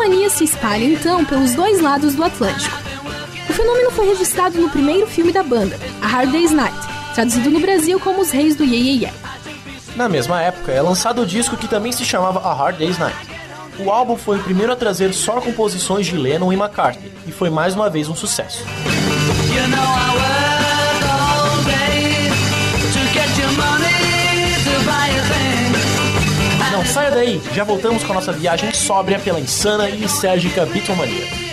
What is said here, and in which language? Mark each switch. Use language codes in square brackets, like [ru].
[pt] Se espalha então pelos dois lados do Atlântico. O fenômeno foi registrado no primeiro filme da banda, A Hard Day's Night, traduzido no Brasil como Os Reis do Ye Ye Ye. Na mesma época, é lançado o disco que também se chamava A Hard Day's Night. O álbum foi o primeiro a trazer só composições de Lennon e McCartney, e foi mais uma vez um sucesso. [en] You know I work all day to get your money to buy a thing. [pt] Não saia daí, já voltamos com a nossa viagem sóbria pela insana e lisérgica Beatlemania.